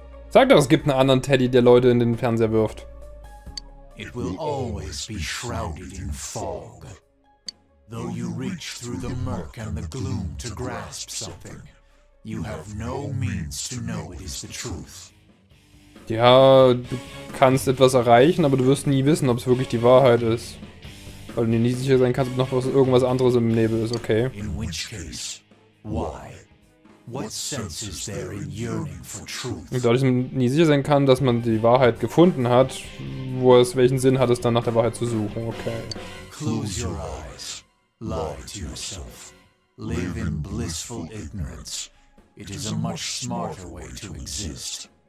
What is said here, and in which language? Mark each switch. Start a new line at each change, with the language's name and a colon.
German: Sag doch, es gibt einen anderen Teddy, der Leute in den Fernseher wirft.
English: It will always be shrouded in fog. Though you reach through the murk and the gloom to grasp something, you have no means to know it is the truth.
German: Ja, du kannst etwas erreichen, aber du wirst nie wissen, ob es wirklich die Wahrheit ist. Weil du dir nie sicher sein kannst, ob noch was, irgendwas anderes im Nebel ist, okay?
English: In which case, why? What sense is there in yearning for truth?
German: Und dadurch, dass man nie sicher sein kann, dass man die Wahrheit gefunden hat, wo es welchen Sinn hat, es dann nach der Wahrheit zu suchen, okay?
English: Close your eyes. Lie to yourself. Live in blissful ignorance. It is a much smarter way to exist.